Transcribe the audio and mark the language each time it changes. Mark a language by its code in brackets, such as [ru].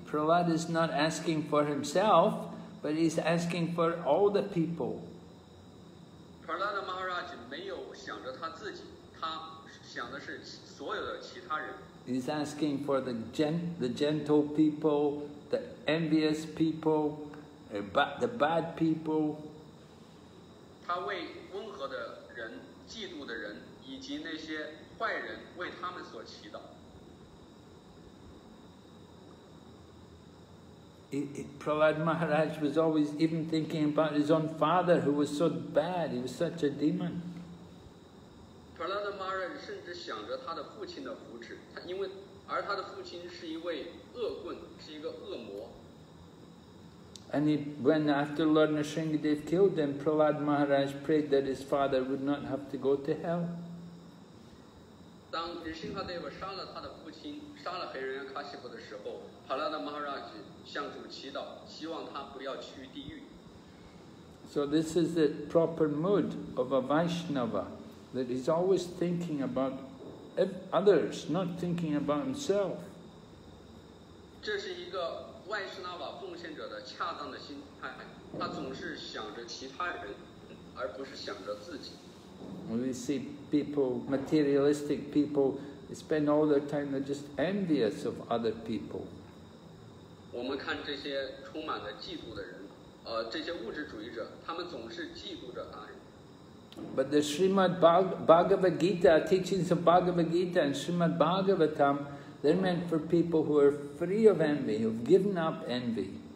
[en] Prahlad is not asking for himself, but he's asking for all the people. [zh] Prahlad Maharaj 没有想着他自己，他想的是所有的其他人。 [en] He's asking for the gentle people, the envious people, the bad people. [zh] 他为温和的人、嫉妒的人以及那些坏人为他们所祈祷。 [en] Prahlad Maharaj was always even thinking about his own father who was so bad, he was such a demon. [zh] Prahlad Maharaj 甚至想着他的父亲的福祉，因为而他的父亲是一位恶棍，是一个恶魔。 [en] And he, when after Lord Narsingadev killed him, Prahlad Maharaj prayed that his father would not have to go to hell. [zh] 当 Narsingadev 杀了他的父亲，杀了黑人阿卡西布的时候， Prahlad Maharaj 向主祈祷，希望他不要去地狱。 [en] So this is the proper mood of a Vaishnava, that he's always thinking about others, not thinking about himself. [zh] 这是一个外士那瓦奉献者的恰当的心态，他总是想着其他人，而不是想着自己。 [en] We see people, materialistic people, spend all their time they're just envious of other people. [zh] 我们看这些充满了嫉妒的人，这些物质主义者，他们总是嫉妒着他人。 [en] But the Srimad Bhagavad Gita, teachings of Bhagavad Gita and Srimad Bhagavatam, they're meant for people who are free of envy, who've given up envy.